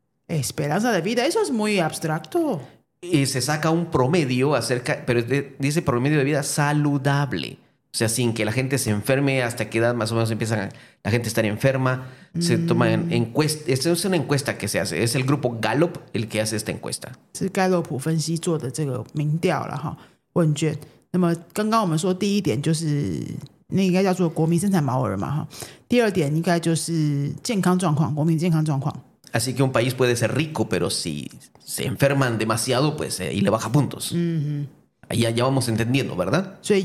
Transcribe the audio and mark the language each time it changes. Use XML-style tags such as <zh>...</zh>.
<es>Esperanza de vida, eso es muy abstracto. Y se saca un promedio acerca, pero dice promedio de vida saludable. O sea, sin que la gente se enferme, hasta qué edad más o menos empiezan la gente a estar enferma. Se toman encuestas. Esta es una encuesta que se hace. Es el grupo Gallup el que hace esta encuesta.</es> <zh>Es Gallup分析做的这个民调了哈问卷。那么刚刚我们说第一点就是那应该叫做国民生产毛额嘛哈。第二点应该就是健康状况，国民健康状况。</zh> <es>Así que un país puede ser rico, pero si se enferman demasiado, pues ahí le baja puntos. Uh-huh. Ahí ya vamos entendiendo, ¿verdad?</es>